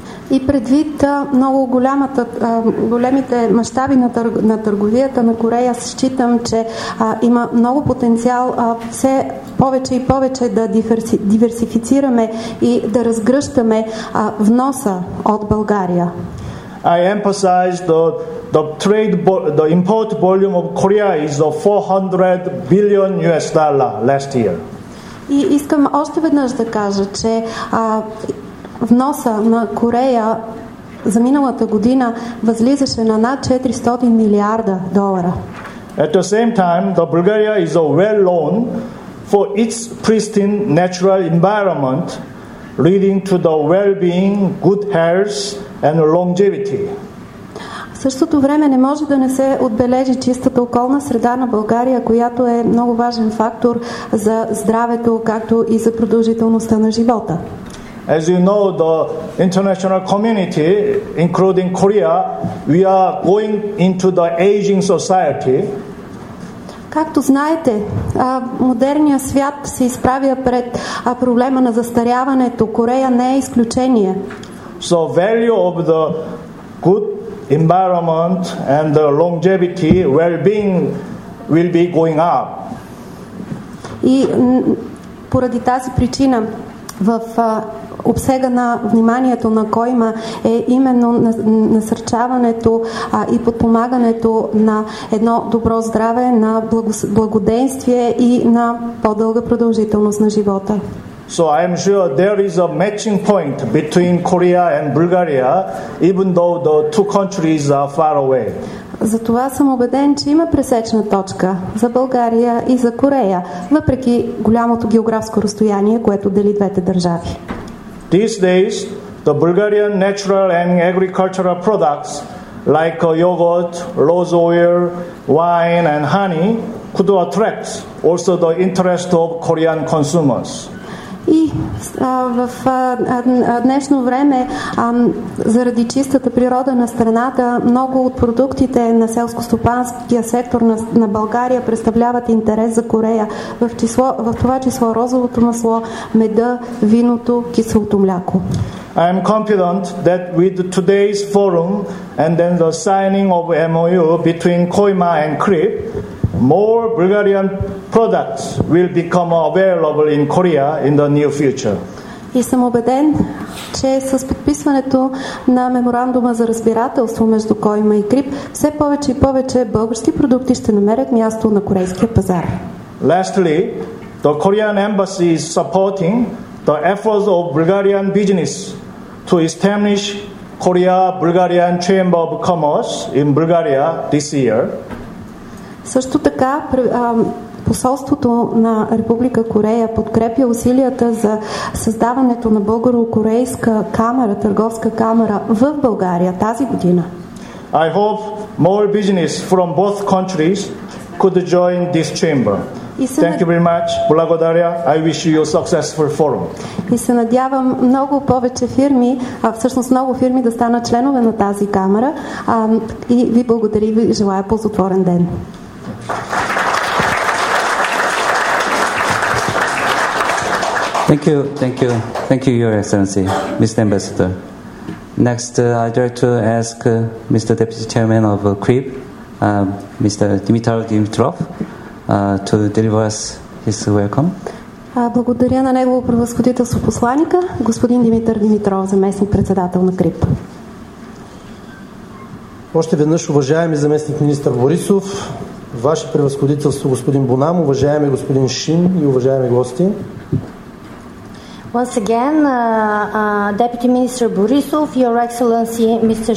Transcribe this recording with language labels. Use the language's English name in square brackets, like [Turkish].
[Bulgarian] И предвид много големите мащаби на търговията на Корея, считам, че има много потенциал все повече и повече да диверсифицираме и да разгръщаме вноса от България. [English] I emphasize the import volume of Korea is $400 billion last year. [Bulgarian] И искам още веднъж да кажа, че вноса на Корея за миналата година възлизаше на над 400 милиарда долара. [English] At the same time, the Bulgaria is well known for its pristine natural environment, leading to the well-being, good health and longevity. [Bulgarian] В същото време не може да не се отбележи чистата околна среда на България, която е много важен фактор за здравето, както и за продължителността на живота. [English] As you know, the international community, including Korea, we are going into the aging society. [Bulgarian] Както знаете, модерният свят се изправя пред проблема на застаряването. Корея не е изключение. [English] So value of the good environment and the longevity, well-being will be going up. [Bulgarian] И поради тази причина в обсега на вниманието на Койма е именно насърчаването и подпомагането на едно добро здраве, на благоденствие и на по-дълга продължителност на живота. [English] So I am sure there is a matching point between Korea and Bulgaria, even though the two countries are far away. [Bulgarian] Затова съм убеден, че има пресечна точка за България и за Корея, въпреки голямото географско разстояние, което дели двете държави. [English] These days, the Bulgarian natural and agricultural products like yogurt, rose oil, wine and honey could attract also the interest of Korean consumers. [Bulgarian] И в днешно време, заради чистата природа на страната, много от продуктите на селскостопанския сектор на България представляват интерес за Корея, в това число розовото масло, меда, виното, киселото мляко. [English] I am confident that with today's forum and then the signing of MOU between Koima and CRIP, more Bulgarian products will become available in Korea in the near future. [Bulgarian] И съм убеден, че с подписването на меморандума за разбирателство между Койма и Крип, все повече и повече български продукти ще намерят място на корейския пазар. [English] Lastly, the Korean embassy is supporting the efforts of Bulgarian business to establish Korea-Bulgarian Chamber of Commerce in Bulgaria this year. [Bulgarian] Също така, посолството на Република Корея подкрепя усилията за създаването на българо-корейска камера, търговска камера в България тази година. [English] I hope more business from both countries could join this chamber. Thank you very much. [Bulgarian] Благодаря. [English] I wish you a successful forum. [Bulgarian] И се надявам много повече фирми, всъщност много фирми да станат членове на тази камера. И ви благодаря и ви желая ползотворен ден. [English] Thank you, Your Excellency, Mr. Ambassador. Next, I'd like to ask Mr. Deputy Chairman of CRIP, Mr. Dimitar Dimitrov, to deliver us his welcome. [Bulgarian] Благодаря на негово превъзходителство посланика, господин Димитър Димитров, заместник-председател на CRIP. Още веднъж, уважаеми заместник министър Борисов, Ваше превъзходителство господин Бонам, уважаеми господин Шин и уважаеми гости. [English] Once again, Deputy Minister Borisov, Your Excellency Mr.